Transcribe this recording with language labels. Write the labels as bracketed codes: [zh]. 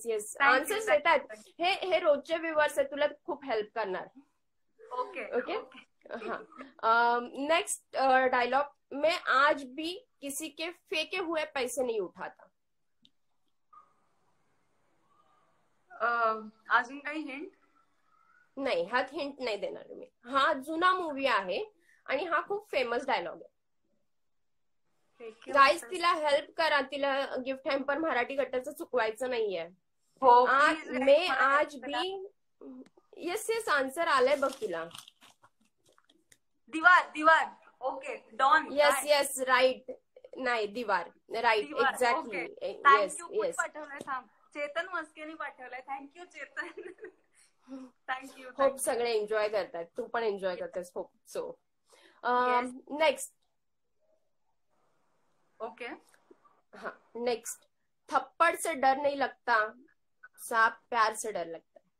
[mr] Yes, answers येतात, हे रोजचे व्ह्युअर्स आहेत, तुला खूप हेल्प करणार. ओके [hi] ओके, हा, नेक्स्ट डायलॉग, मैं आज भी किसी के फेंके हुए पैसे नहीं उठाता. [mr] अजून काही हिंट? नाही, हा हिंट नाही देणार मी. हा जुना मूवी आहे आणि हा खूप फेमस डायलॉग आहे. गाईस तिला हेल्प करा, तिला गिफ्ट हॅम्पर मराठी गट्टाचं चुकवायचं नाही आहे. आज बी, येस येस, आन्सर आलंय बघ तिला. दिवार? दिवार, okay, don. [en] Yes yes, right. नाही, Deewar, right, exactly. [mr] Yes yes, Chetan मस्केनी पाठवलंय, thank you Chetan, thank you. Hope सगळे एन्जॉय करतात, तू पण एन्जॉय करतेस, होप सो. [en] next, okay, [hi] हा, नेक्स्ट, थप्पड से डर नाही लगता, साप प्यार से डर लगता.